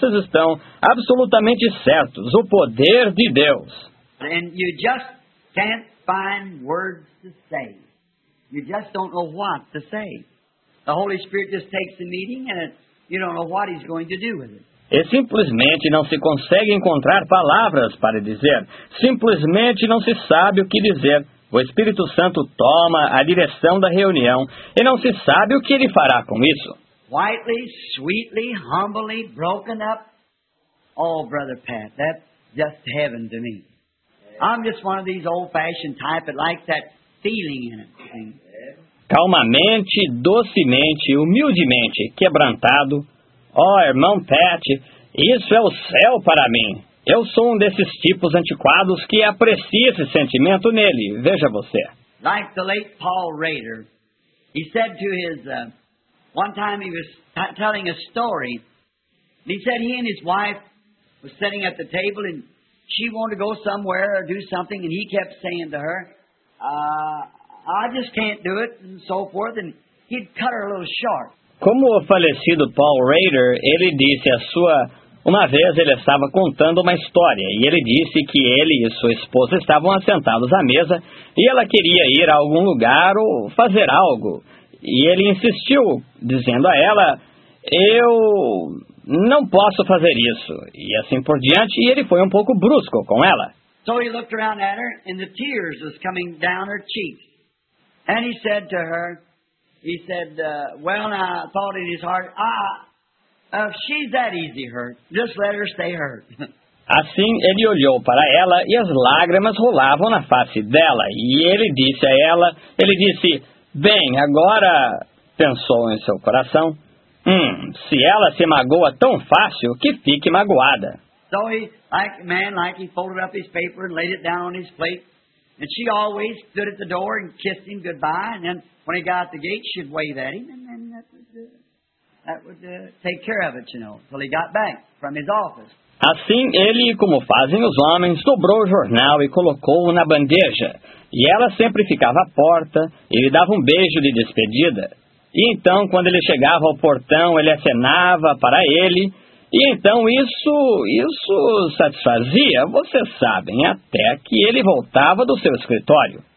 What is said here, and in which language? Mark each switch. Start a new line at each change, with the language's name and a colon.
Portuguese: Vocês estão absolutamente certos. O poder de Deus."
English: And you just can't find words to say. You just don't know what to say. The Holy Spirit just takes the meeting and you don't know what he's going to do with it.
Portuguese: E simplesmente não se consegue encontrar palavras para dizer. Simplesmente não se sabe o que dizer. O Espírito Santo toma a direção da reunião e não se sabe o que ele fará com isso.
English: Quietly, sweetly, humbly, broken up. Oh, Brother Pat, that's just heaven to me. I'm just one of these old-fashioned type that likes that feeling in it.
Portuguese: Calmamente, docemente, humildemente, quebrantado. Oh, irmão Pat, isso é o céu para mim. Eu sou um desses tipos antiquados que aprecia esse sentimento nele. Veja você.
English: Like the late Paul Rader, he said to his, one time he was telling a story. He said he and his wife were sitting at the table and she wanted to go somewhere or do something and he kept saying to her, "I just can't do it," and so forth, and he'd cut her a little short.
Portuguese: Como o falecido Paul Rader, ele disse a sua... Uma vez ele estava contando uma história, e ele disse que ele e sua esposa estavam assentados à mesa, e ela queria ir a algum lugar ou fazer algo. E ele insistiu, dizendo a ela, "Eu não posso fazer isso." E assim por diante, e ele foi um pouco brusco com ela.
English: So he looked around at her, and the tears was coming down her cheeks. And he said to her, he said, I thought in his heart, if she's that easy hurt, just let her stay hurt.
Portuguese: Assim, ele olhou para ela e as lágrimas rolavam na face dela. E ele disse a ela, ele disse, "Bem, agora," pensou em seu coração, "se ela se magoa tão fácil, que fique magoada."
English: So he, like he folded up his paper and laid it down on his plate. And she always stood at the door and kissed him goodbye. And then when he got at the gate, she'd wave at him and then that was it. Take care of it, you know, till he got back from his office.
Portuguese: Assim, ele, como fazem os homens, dobrou o jornal e colocou-o na bandeja. E ela sempre ficava à porta e lhe dava um beijo de despedida. E então, quando ele chegava ao portão, ele acenava para ele. E então isso satisfazia, vocês sabem, até que ele voltava do seu escritório.